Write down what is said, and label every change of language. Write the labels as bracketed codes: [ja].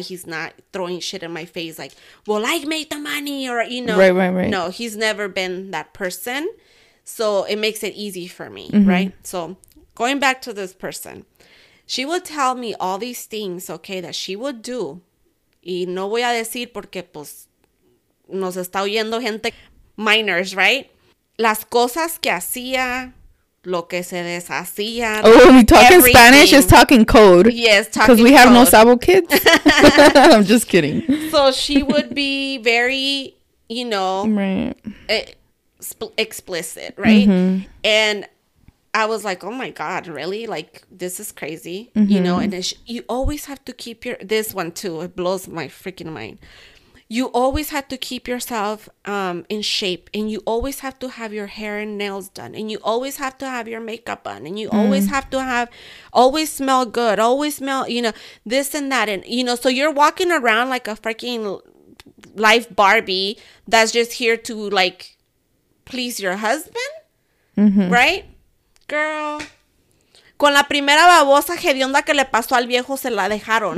[en] He's not throwing shit in my face like, well, I made the money or, you know. Right. No, he's never been that person. So it makes it easy for me, mm-hmm. right? So going back to this person, she would tell me all these things, okay, that she would do. [es] Y no voy a decir porque, pues, nos está oyendo gente [en] minors, right? [es] Las cosas que hacía. Lo que se deshacía. [en] Oh, when we talk in Spanish, it's talking code. Yes, talking code. Because we have [es] no sabo [en] kids. I'm just kidding. So she would be very, you know, explicit, right? Mm-hmm. And I was like, oh my God, really? Like, this is crazy, mm-hmm. you know? And then you always have to keep your, this one too, it blows my freaking mind. You always have to keep yourself in shape, and you always have to have your hair and nails done, and you always have to have your makeup on, and you always have to have, always smell good, always smell, you know, this and that. And, you know, so you're walking around like a freaking life Barbie that's just here to, like, please your husband, mm-hmm. right? Girl. [es] Con la primera babosa hedionda que le pasó al viejo, se la dejaron.